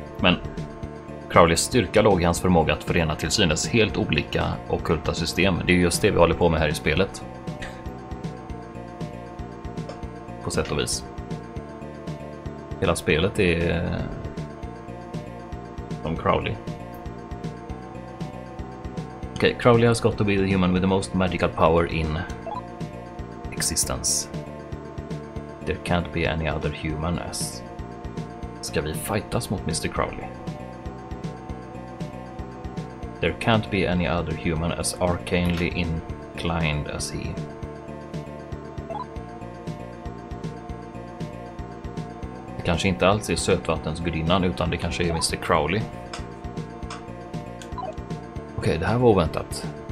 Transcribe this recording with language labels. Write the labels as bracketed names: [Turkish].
[Swedish] Men Crowleys styrka låg i hans förmåga att förena till synes helt olika okulta system. Det är just det vi håller på med här i spelet. På sätt och vis. Hela spelet är som Crowley. [English] Okay, Crowley has got to be the human with the most magical power in existence. There can't be any other human as. [Swedish] Ska vi fightas mot Mr. Crowley? [English] There can't be any other human as arcanely inclined as he. [Swedish] Det kanske inte alls är sötvattensgudinnan, utan det kanske är Mr. Crowley. Okej, det här var oväntat.